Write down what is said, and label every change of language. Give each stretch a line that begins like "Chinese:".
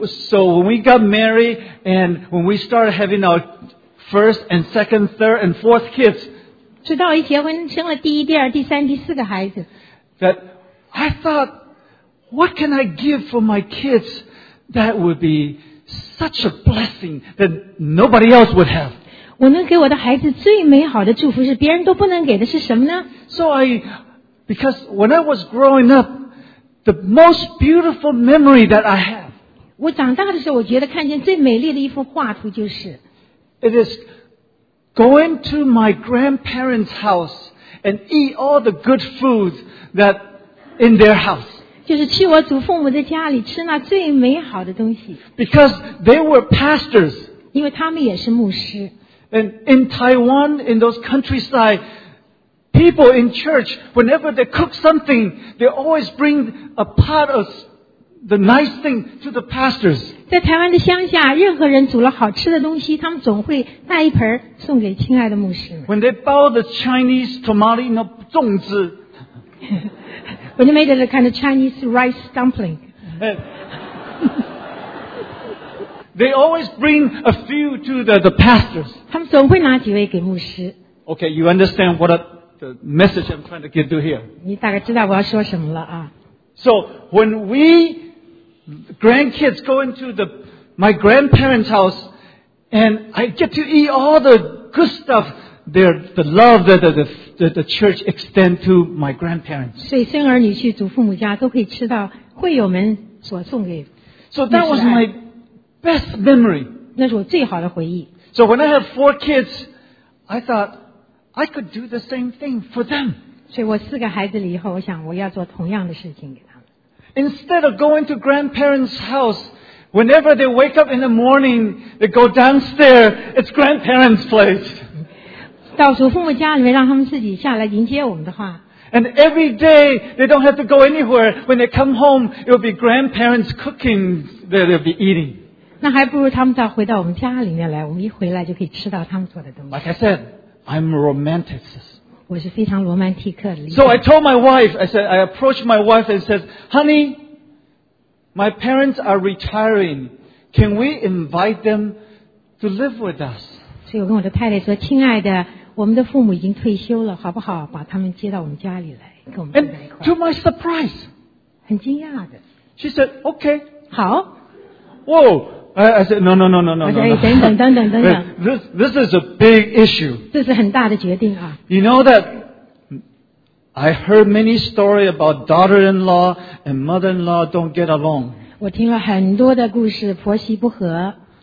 English: So when we got married and when we started having our first and second, third and fourth kids.
Chinese: 直到一结婚生了第一、第二、第三、第四个孩子。
English: That I thought, what can I give for my kids that would be such a blessing that nobody else would have?
Chinese: 我能给我的孩子最美好的祝福是别人都不能给的是什么呢？
English: Because when I was growing up, the most beautiful memory that I have,
Chinese: 我长大的时候我觉得看见最美丽的一幅画图就是
English: It is going to my grandparents' house and eat all the good foods that in their house.
Chinese: 就是去我祖父母的家里吃那最美好的东西。
English: Because they were pastors.
Chinese: 因为他们也是牧师。
English: And in Taiwan, in those countryside, people in church, whenever they cook something, they always bring a pot of the nice thing to the pastors.
Chinese: 在台湾的乡下，任何人煮了好吃的东西，他们总会带一盆送给亲爱的牧师。
English: When they bow the Chinese tamale,
Chinese: 那粽子。
English: When they made it a kind of Chinese rice dumpling. They always bring a few to the pastors.
Chinese: 他们总会拿几位给牧师。
English: Okay, you understand what the message I'm trying to get to here.
Chinese: 你大概知道我要说什么了啊。
English: So, when we grandkids go into my grandparents' house, and I get to eat all the good stuff, the love that the church extend to my grandparents.
Chinese: 所以孙儿女去祖父母家都可以吃到会友们所送给。
English: So that was my best memory.
Chinese: 那是我最好的回忆。
English: So when I had four kids, I thought I could do the same thing for them.
Chinese: 所以我四个孩子了以后，我想我要做同样的事情给他们。
English: Instead of going to grandparents' house, whenever they wake up in the morning, they go downstairs. It's grandparents' place.
Chinese: 到祖父母家里面让他们自己下来迎接我们的话。
English: And every day, they don't have to go anywhere. When they come home, it will be grandparents cooking that they'll be eating.
Chinese: 那还不如他们再回到我们家里面来，我们一回来就可以吃到他们做的东西。
English: Like I said, I'm romantic.
Chinese: 我是非常罗曼蒂克的。
English: So I told my wife, I approached my wife and said, Honey, my parents are retiring. Can we invite them to live with us?
Chinese: 所以我跟我的太太说，亲爱的，我们的父母已经退休了，好不好把他们接到我们家里来，跟我们在一块。
English: To my surprise,
Chinese: 很惊讶的。
English: She said, okay.
Chinese: 好。
English: Whoa, I said, no.
Chinese: 我说，等等。
English: This is a big issue.
Chinese: 这是很大的决定啊。
English: You know that I heard many stories about daughter-in-law and mother-in-law don't get along.
Chinese: 我听了很多的故事，婆媳不和。